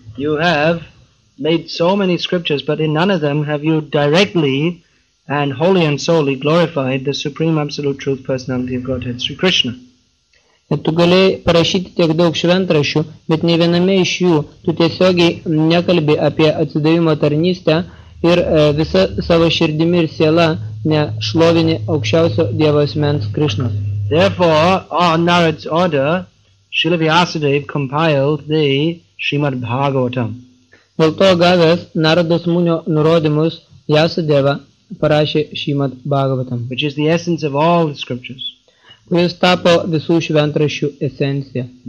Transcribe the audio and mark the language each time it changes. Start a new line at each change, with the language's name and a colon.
English: You have made so many scriptures, but in none of them have you directly and wholly and solely glorified the Supreme Absolute Truth Personality of Godhead, Sri Krishna.
Lithuanian: Tu gali parašyti tiek daug šventrašių, bet ne viename iš jų tu tiesiogiai nekalbi apie atsidavimo tarnystę ir visą savo širdimi ir sielą nešlovini aukščiausio Dievo asmens Krishnas.
English: Therefore, on Narad's order, Srila Vyasadeva compiled the Srimad Bhagavatam.
Lithuanian: Dėl to gavęs Narados Munio nurodymus Vyasadeva parašė Srimad Bhagavatam,
English: which is the essence of all the scriptures.
Lithuanian: Kuris tapo visų šventrašių esencija.